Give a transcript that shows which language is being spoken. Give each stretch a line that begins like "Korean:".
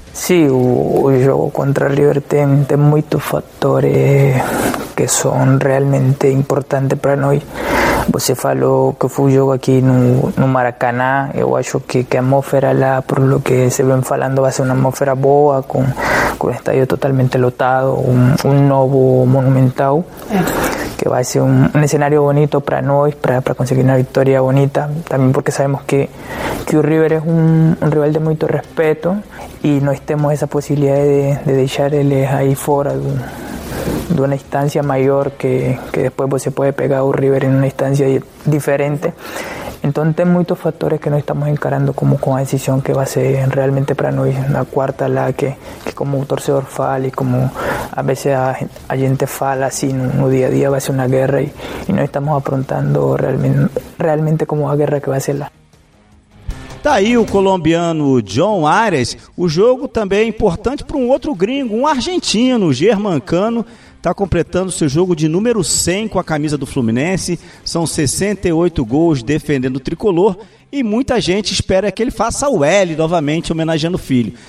Portuguese: Sim, o jogo contra o River tem muitos fatores que são realmente importantes para nós. Você falou que foi um jogo aqui no Maracanã. Eu acho que a atmosfera lá,
Spanish: por lo que se
Portuguese: vem falando, vai ser uma atmosfera boa, com o estádio totalmente lotado, um novo monumental.
Spanish: Que va a ser un escenario bonito para nosotros, para conseguir una victoria bonita, también porque sabemos que River es un rival de mucho respeto y no tenemos esa posibilidad de dejarle ahí fuera de una instancia mayor que después pues, se puede pegar a un River en una instancia diferente. Entonces hay muchos factores que nos estamos encarando como con la decisión que va a ser realmente para nosotros la cuarta, la que como un torcedor fala y como a veces a gente fala así en un día a día va a ser una guerra y nos estamos aprontando realmente como la guerra que va a ser la.
Portuguese: Tá aí o colombiano John Arias. O jogo também é importante para um outro gringo, um argentino, Germancano. Está completando seu jogo de número 100 com a camisa do Fluminense. São 68 gols defendendo o tricolor. E muita gente espera que ele faça o L novamente, homenageando o filho.